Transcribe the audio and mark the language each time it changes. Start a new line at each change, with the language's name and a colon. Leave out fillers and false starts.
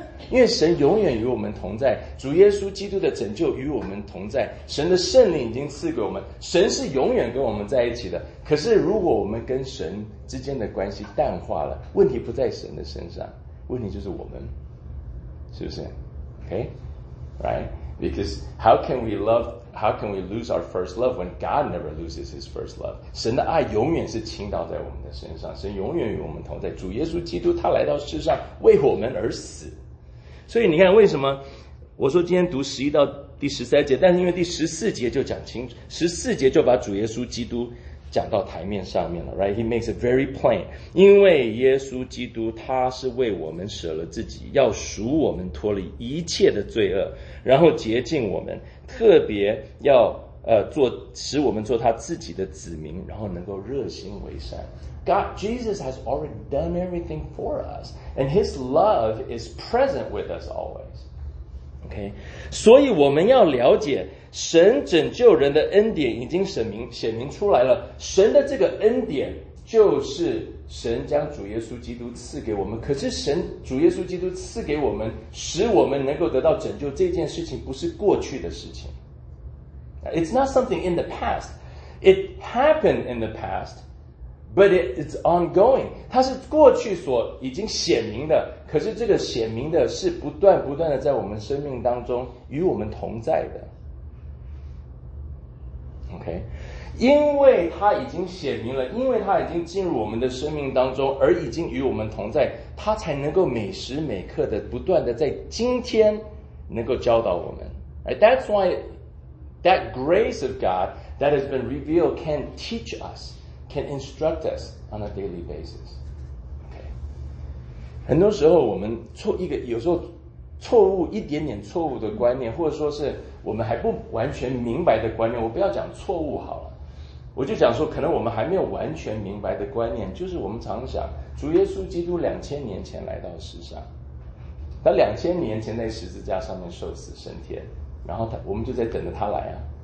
Chinese: 因为神永远与我们同在，主耶稣基督的拯救与我们同在，神的圣灵已经赐给我们，神是永远跟我们在一起的。可是如果我们跟神之间的关系淡化了，问题不在神的身上，问题就是我们，是不是？
English: OK? Right? Because how can we lose our first love when God never loses his first love?
Chinese: 神的爱永远是倾倒在我们的身上，神永远与我们同在，主耶稣基督他来到世上为我们而死。所以你看为什么我说今天读十一到第十三节，但是因为第十四节就讲清楚，十四节就把主耶稣基督讲到台面上面了，
English: right? He makes it very plain.
Chinese: 因为耶稣基督他是为我们舍了自己，要赎我们脱离一切的罪恶，然后洁净我们，特别要做使我们做他自己的子民，然后能够热心为善。
English: God, Jesus has already done everything for us, and his love is present with us always. Okay?
Chinese: 所以我们要了解神拯救人的恩典已经显明出来了，神的这个恩典就是神将主耶稣基督赐给我们。可是神主耶稣基督赐给我们使我们能够得到拯救这件事情不是过去的事情。
English: It's not something in the past. It happened in the past, but it's ongoing.
Chinese: 它是过去所已经显明的，可是这个显明的是不断不断的在我们生命当中与我们同在的。 OK, 因为他已经显明了，因为他已经进入我们的生命当中，而已经与我们同在，他才能够每时每刻的不断的在今天能够教导我们。
English: Right? That's why that grace of God that has been revealed can teach us. can instruct us on a daily basis. Okay.
Chinese: 很多时候我们错一个，有时候错误一点点错误的观念，或者说是我们还不完全明白的观念，我不要讲错误好了，我就讲说可能我们还没有完全明白的观念，就是我们常想主耶稣基督2000年前来到世上，他2000年前在十字架上面受死升天，然后他我们就在等着他来啊。